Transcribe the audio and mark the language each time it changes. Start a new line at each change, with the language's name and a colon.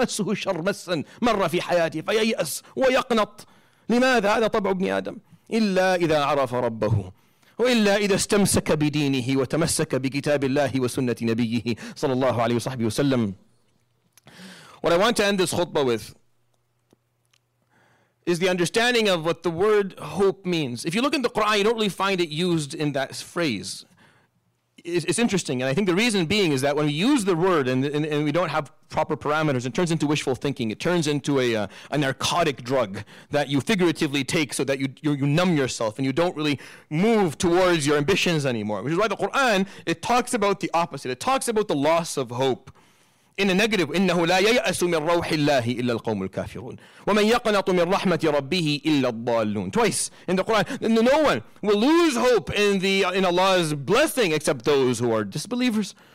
Arabic: الشر مسا مر في حياته فييأس ويقنط لماذا هذا طبع ابن آدم إلا إذا عرف ربه وإلا إذا استمسك بدينه وتمسك بكتاب الله وسنة نبيه صلى الله عليه وصحبه وسلم
English: What I want to end this khutbah with is the understanding of what the word hope means. If you look in the Quran, you don't really find it used in that phrase. It's interesting, and I think the reason being is that when we use the word and we don't have proper parameters, it turns into wishful thinking. It turns into a narcotic drug that you figuratively take so that you numb yourself and you don't really move towards your ambitions anymore. Which is why the Quran, it talks about the opposite. It talks about the loss of hope. in a negative,
Arabic: إِنَّهُ لَا يَيْأَسُ مِنْ رَوْحِ اللَّهِ إِلَّا الْقَوْمُ الْكَافِرُونَ وَمَنْ يَقْنَطُ مِنْ رَحْمَةِ رَبِّهِ إِلَّا الضَّالُّونَ.
English: Twice in the Quran, no one will lose hope in Allah's blessing except those who are disbelievers.